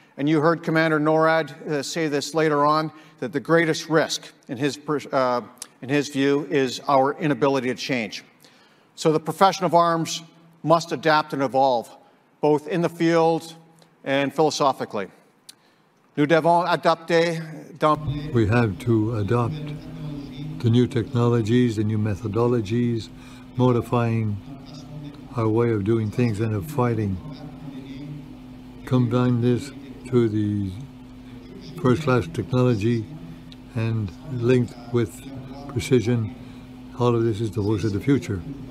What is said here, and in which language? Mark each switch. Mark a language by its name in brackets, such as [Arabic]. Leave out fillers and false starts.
[English] And you heard Commander NORAD say this later on, that the greatest risk, in his view, is our inability to change. So the profession of arms must adapt and evolve, both in the field and philosophically. [French] Nous devons adapter dans... [English] We have to adopt the new technologies, the new methodologies, modifying our way of doing things and of fighting. Combine this to the first-class technology and linked with precision, all of this is the voice of the future.